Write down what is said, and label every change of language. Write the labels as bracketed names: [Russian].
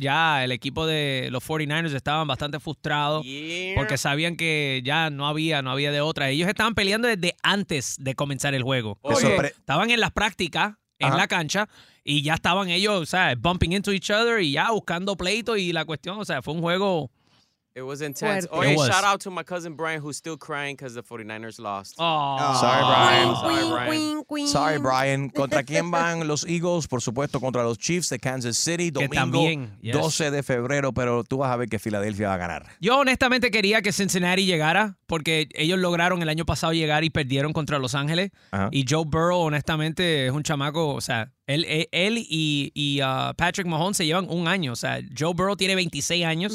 [Spanish] Ya el equipo de los 49ers estaban bastante frustrados porque sabían que ya no había de otra. Ellos estaban peleando desde antes de comenzar el juego. Estaban en las prácticas, en la cancha, y ya estaban ellos, o sea, [English] bumping into each other [Spanish] y ya buscando pleito y la cuestión, o sea, fue un juego... [English] It was intense. Oh, hey, shout out to my cousin Brian, who's still crying because the 49ers lost. Sorry, Brian. [Spanish] ¿Contra quién van los Eagles? Por supuesto, contra los Chiefs de Kansas City. Domingo 12 de febrero, pero tú vas a ver que Filadelfia va a ganar. Yo honestamente quería que Cincinnati llegara, porque ellos lograron el año pasado llegar y perdieron contra Los Ángeles. Uh-huh. Y Joe Burrow, honestamente, es un chamaco, o sea... Él y Patrick Mahomes se llevan un año. O sea, Joe Burrow tiene 26 años.